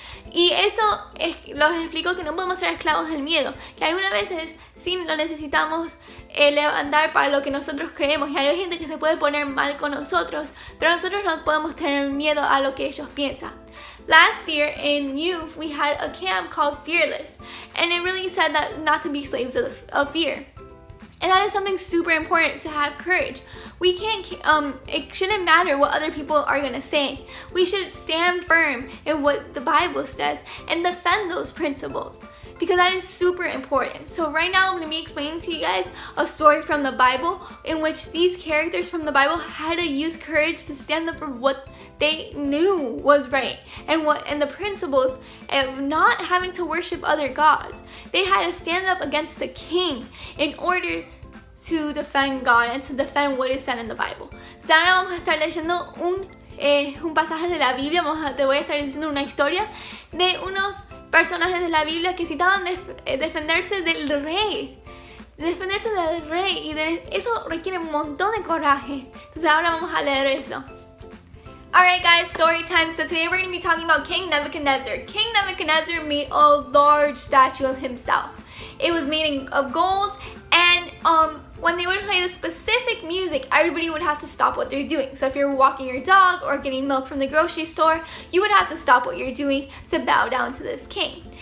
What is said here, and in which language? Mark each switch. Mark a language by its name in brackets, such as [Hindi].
[Spanish] Y eso es, los explico que no podemos ser esclavos del miedo. Que algunas veces sí lo necesitamos levantar para lo que nosotros creemos. Y hay gente que se puede poner mal con nosotros, pero nosotros no podemos tener miedo a lo que ellos piensan. [English] Last year in youth, we had a camp called Fearless. And it really said that not to be slaves of fear. And that is something super important, to have courage. We can't, it shouldn't matter what other people are gonna say. We should stand firm in what the Bible says and defend those principles, because that is super important. So right now I'm gonna be explaining to you guys a story from the Bible in which these characters from the Bible had to use courage to stand up for what they knew was right and the principles of not having to worship other gods. They had to stand up against the king in order to defend God and to defend what is said in the Bible. [Spanish] Ahora vamos a estar leyendo un pasaje de la Biblia. Te voy a estar diciendo una historia de unos personajes de la Biblia que necesitaban defenderse del rey. Defenderse del rey, y eso requiere un montón de coraje. Entonces ahora vamos a leer esto. [English] Alright guys, story time. So today we're going to be talking about King Nebuchadnezzar. King Nebuchadnezzar made a large statue of himself. It was made of gold, and when they would play the specific music, everybody would have to stop what they're doing. So if you're walking your dog or getting milk from the grocery store, you would have to stop what you're doing to bow down to this king.